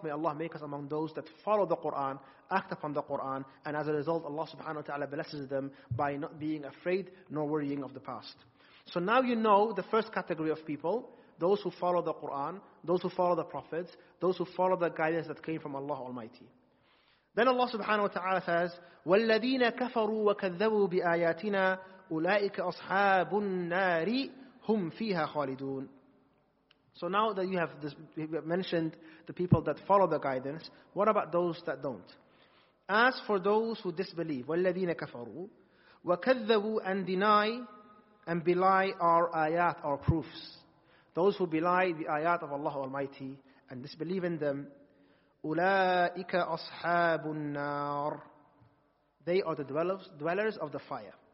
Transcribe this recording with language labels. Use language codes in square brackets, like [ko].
[en] May Allah make us among those that follow the Quran, act upon the Quran, and as a result Allah subhanahu wa ta'ala blesses them by not being afraid nor worrying of the past. So now you know the first category of people, those who follow the Quran, those who follow the prophets, those who follow the guidance that came from Allah Almighty. Then Allah subhanahu wa ta'ala says, [ar] وَالَّذِينَ كَفَرُوا وَكَذَّبُوا بِآيَاتِنَا أُولَٰئِكَ أَصْحَابُ النَّارِ هُمْ فِيهَا خَالِدُونَ. [en] So now that you have mentioned the people that follow the guidance, what about those that don't? As for those who disbelieve, [ar] وَالَّذِينَ كَفَرُوا وَكَذَّبُوا, [en] and deny and belie our ayat, our proofs. Those who belie the ayat of Allah Almighty and disbelieve in them, [ar] أُولَٰئِكَ أَصْحَابُ النَّارِ, [en] they are the dwellers of the fire.